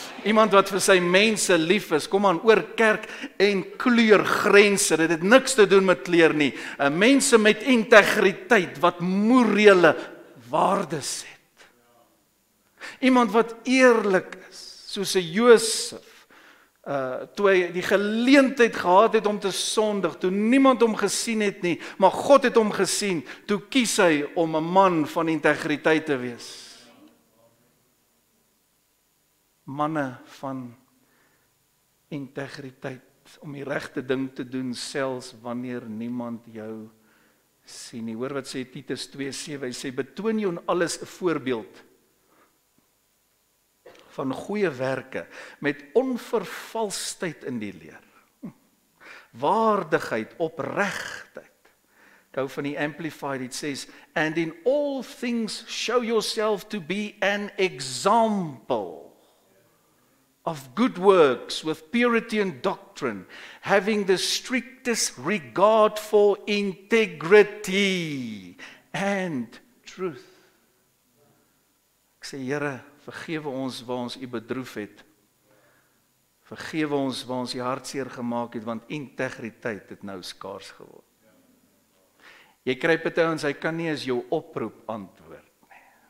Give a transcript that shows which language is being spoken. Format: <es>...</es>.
<af>Iemand wat vir sy mense lief is, kom aan, oor kerk en kleurgrense, dit het niks te doen met kleur nie. Mense met integriteit, wat morele waardes het. Iemand wat eerlik is, soos 'n Josef, toe hy die geleentheid gehad het om te sondig, toe niemand hom gesien het nie, maar God het hom gesien, toe kies hy om 'n man van integriteit te wees. Manne van integriteit, om die regte ding te doen, selfs wanneer niemand jou sien nie. Hoor wat sê Titus 2:7, hy sê, betoon jou in alles 'n voorbeeld van goeie werke, met onvervalstheid in die leer. Waardigheid, opregtheid. Ek hou van die</af> <en>Amplified, it says, and in all things show yourself to be an example of good works with purity and doctrine, having the strictest regard for integrity and truth.</en> <af>Ek sê, Here, vergewe ons waar ons u bedroef het. Vergewe ons waar ons die hart seer gemaak het, want integriteit het nou skaars geword. Jy kry party ouens, hy kan nie eens jou oproep antwoord nie.</af>